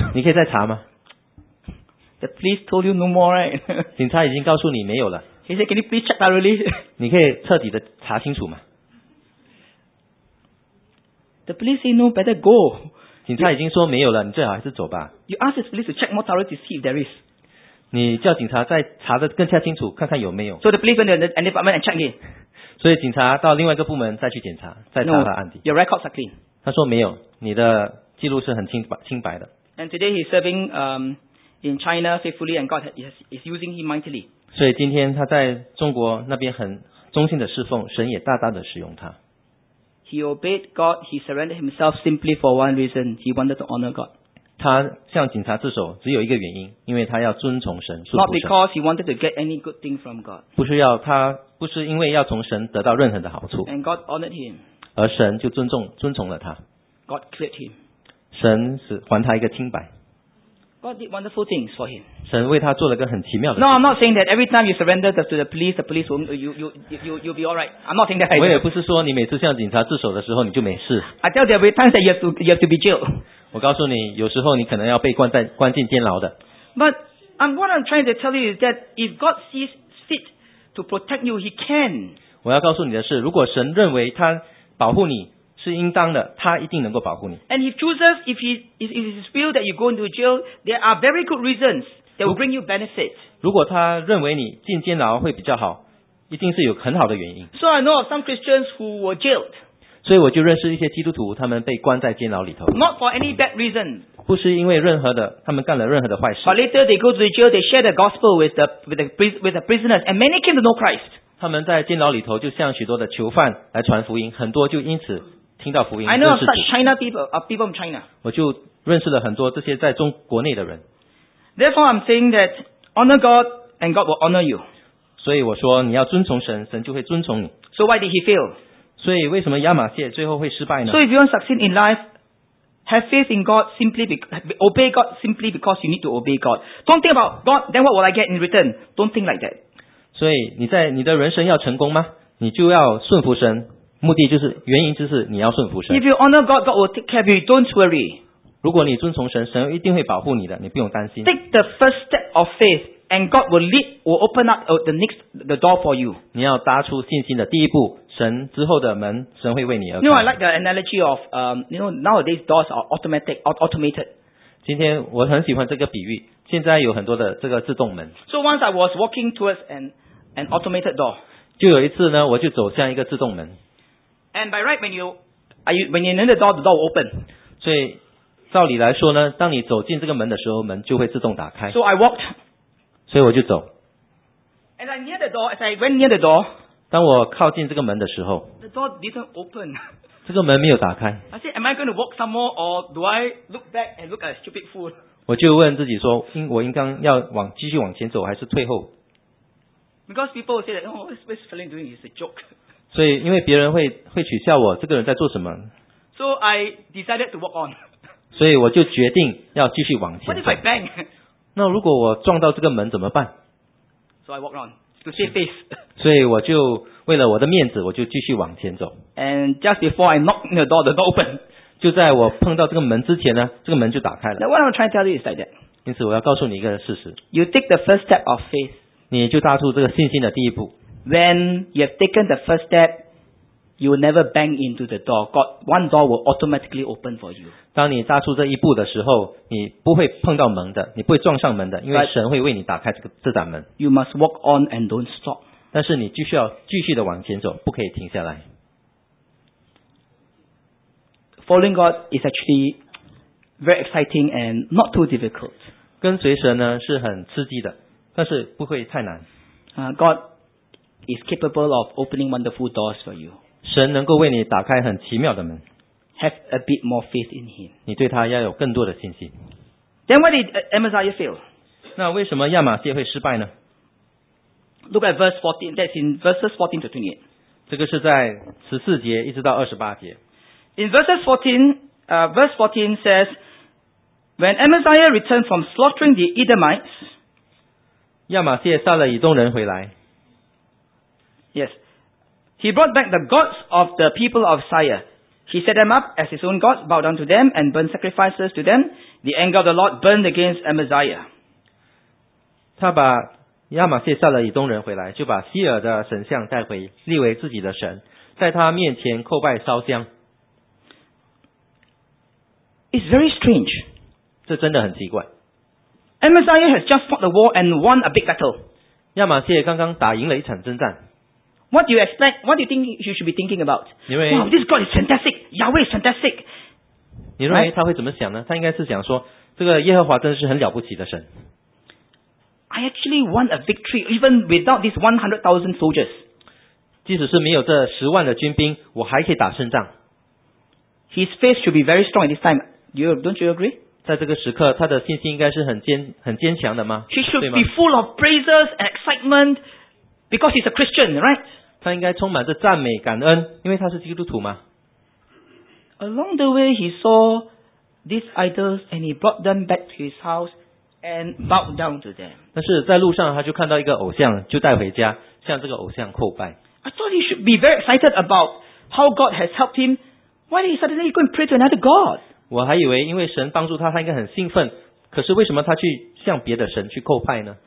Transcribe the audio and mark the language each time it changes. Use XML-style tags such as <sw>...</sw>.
<zh>你可以再查吗</zh> <en>？The police told you no more, right?</en> <zh>警察已经告诉你没有了。</zh> <en>He said, "Can you please check thoroughly?"</en> <zh>你可以彻底的查清楚吗</zh> <en>？The police say no, better go.</en> <zh>警察已经说没有了，你最好还是走吧。</zh> <en>You ask the police to check more thoroughly to see if there is.</en> <zh>你叫警察再查的更加清楚，看看有没有。</zh> <en>So the police went to the department and check again.</en> <zh>所以警察到另外一个部门再去检查，再查他的案底。</zh> <en>No, your records are clean.</en> <zh>他说没有，你的。记录是很清白的。</zh> <en>And today he's serving in China faithfully, and God is using him mightily.</en> <zh>所以今天他在中国那边很忠心的侍奉，神也大大的使用他。</zh> <en>He obeyed God. He surrendered himself simply for one reason. He wanted to honor God.</en> <zh>他向警察自首只有一个原因，因为他要遵从神。</zh> <en>Not because he wanted to get any good thing from God.</en> <zh>不是因为要从神得到任何的好处。</zh> <en>And God honored him.</en> <zh>而神就尊重了他。</zh> <en>God cleared him.</en> <zh>神是还他一个清白。</zh> <en>God did wonderful things for him.</en> <zh>神为他做了个很奇妙的事。</zh> <en>No, I'm not saying that every time you surrender to the police will you'll be all right. I'm not saying that.</en> <zh>我也不是说你每次向警察自首的时候你就没事。</zh> <en>I tell you every time that you have to be jailed.</en> <zh>我告诉你，有时候你可能要被关进监牢的。</zh> <en>But what I'm trying to tell you is that if God sees fit to protect you, He can.</en> <zh>我要告诉你的是，如果神认为他保护你。是应当的，他一定能够保护你。</zh> <en>And if chooses, if it is feel that you go into jail, there are very good reasons that will bring you benefit.</en> <zh>如果他认为你进监牢会比较好，一定是有很好的原因。</zh> <en>So I know of some Christians who were jailed.</en> <zh>所以我就认识一些基督徒，他们被关在监牢里头。</zh> <en>Not for any bad reason.</en> <zh>不是因为任何的，他们干了任何的坏事。</zh> <en>But later they go to the jail, they share the gospel with the prisoners, and many came to know Christ.</en> <zh>他们在监牢里头就向许多的囚犯来传福音，很多就因此。</zh> <en>I know such China people from China.</en> <zh>我就认识了很多这些在中国内的人。</zh> <en>Therefore, I'm saying that honor God and God will honor you.</en> <zh>所以我说你要遵从神，神就会遵从你。</zh> <en>So why did he fail?</en> <zh>所以为什么亚玛谢最后会失败呢</zh> <en>？So if you want succeed in life, have faith in God simply obey God simply because you need to obey God. Don't think about God. Then what will I get in return? Don't think like that.</en> <zh>所以你的人生要成功吗？你就要顺服神。目的就是原因就是你要顺服神。</zh> <en>If you honor God, God will take care of you. Don't worry.</en> <zh>如果你遵从神，神一定会保护你的，你不用担心。</zh> <en>Take the first step of faith, and God will lead, will open up the door for you.</en> <zh>你要搭出信心的第一步，神之后的门，神会为你而开。</zh> <en>You know, I like the analogy of nowadays doors are automated.</en> <zh>今天我很喜欢这个比喻，现在有很多的这个自动门。</zh> <en>So once I was walking towards an automated door.</en> <zh>就有一次呢，我就走向一个自动门。</zh> <en>And by right, when you enter the door will open.</en> <zh>所以照理来说呢，当你走进这个门的时候，门就会自动打开。</zh> <en>So I walked.</en> <zh>所以我就走。</zh> <en>As I near the door, as I went near the door.</en> <zh>当我靠近这个门的时候。</zh> <en>The door didn't open.</en> <zh>这个门没有打开。</zh> <en>I said, Am I going to walk some more, or do I look back and look like a stupid fool?</en> <zh>我就问自己说，我应该要继续往前走，还是退后</zh> <en>？Because people say that, oh, what's Philip doing? It's a joke.</en> <zh>所以因为别人 会取笑我这个人在做什么</zh> <en>so I decided to walk on.</en> <zh>所以我就决定要继续往前走</zh> <en>What if I bang?</en> <zh>那如果我撞到这个门怎么办</zh> <en>so I walked on to save face.</en> <zh>所以我就为了我的面子我就继续往前走</zh> <en>and just before I knocked the door, the door opened.</en> <zh>就在我碰到这个门之前呢这个门就打开了</zh> <en>Now what I'm trying to tell you is like that.</en> <zh>因此我要告诉你一个事实</zh> <en>You take the first step of faith.</en> <zh>你就踏出这个信心的第一步</zh> <en>When you have taken the first step, you will never bang into the door. God, one door will automatically open for you.</en> <zh>当你踏出这一步的时候，你不会碰到门的，你不会撞上门的，因为神会为你打开这扇门。</zh> <en>You must walk on and don't stop.</en> <zh>但是你继续的往前走，不可以停下来。</zh> <en>Following God is actually very exciting and not too difficult.</en> <zh>跟随神呢是很刺激的，但是不会太难。</zh> <en>God. Is capable of opening wonderful doors for you.</en> <zh>神能够为你打开很奇妙的门。</zh> <en>Have a bit more faith in Him.</en> <zh>你对他要有更多的信心。</zh> <en>Then why did Amaziah fail?</en> <zh>那为什么亚玛谢会失败呢</zh> <en>？Look at verse 14. That's in verses 14 to 28.</en> <zh>这个是在14节一直到28节。</zh> <en>In verses 14, verse 14 says, When Amaziah returned from slaughtering the Edomites,</en> <zh>亚玛谢杀了以东人回来。</zh> <en>Yes, he brought back the gods of the people of Syria. He set them up as his own gods, bowed down to them, and burned sacrifices to them. The anger of the Lord burned against Amaziah.</en> <zh>他把亚玛谢杀了以东人回来，就把希尔的神像带回，立为自己的神，在他面前叩拜烧香。</zh> <en>It's very strange.</en> <zh>这真的很奇怪。</zh> <en>Amaziah has just fought a war and won a big battle.</en> <zh>亚玛谢刚刚打赢了一场征战。</zh> <en>What do you expect? What do you think you should be thinking about? Wow, this God is fantastic. Yahweh is fantastic.</en> <zh>你认为他会怎么想呢？他应该是想说，这个耶和华真的是很了不起的神。</zh> <en>I actually won a victory even without these 100,000 soldiers.</en> <zh>即使是没有这十万的军兵，我还可以打胜仗。</zh> <en>His faith should be very strong at this time. Don't you agree?</en> <zh>在这个时刻，他的信心应该是很坚强的吗</zh> <en>？He should be full of praises and excitement because he's a Christian, right?</en> <zh>他应该充满着赞美感恩，因为他是基督徒吗</zh> <en>？Along the way, he saw these idols and he brought them back to his house and bowed down to them.</en> <zh>但是在路上，他就看到一个偶像，就带回家，向这个偶像叩拜。</zh> <en>I thought he should be very excited about how God has helped him. Why did he suddenly go and pray to another God?</en> <zh>我还以为因为神帮助他，他应该很兴奋。可是为什么他去向别的神去叩拜呢</zh>